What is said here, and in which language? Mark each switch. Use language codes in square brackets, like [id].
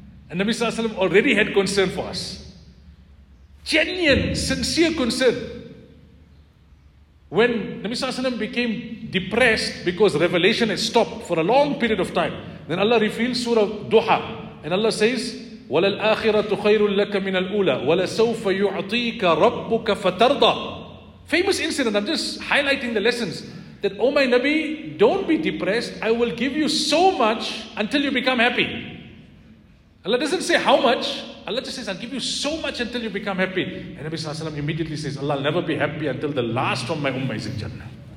[en] And Nabi Sallallahu Alaihi Wasallam already had concern for us. Genuine, sincere concern. When Nabi Sallallahu Alaihi Wasallam became depressed because revelation had stopped for a long period of time, then Allah reveals Surah Duha. And Allah says, [ar] وَلَلْآخِرَةُ خَيْرٌ لَكَ مِنَ الْأُولَى وَلَسَوْفَ يُعْطِيكَ رَبُّكَ فَتَرْضَى. [en] Famous incident, I'm just highlighting the lessons. That, oh my Nabi, don't be depressed. I will give you so much until you become happy. Allah doesn't say how much. Allah just says, I'll give you so much until you become happy. And Nabi Sallallahu Alaihi Wasallam immediately says, Allah will never be happy until the last of my ummah is in Jannah.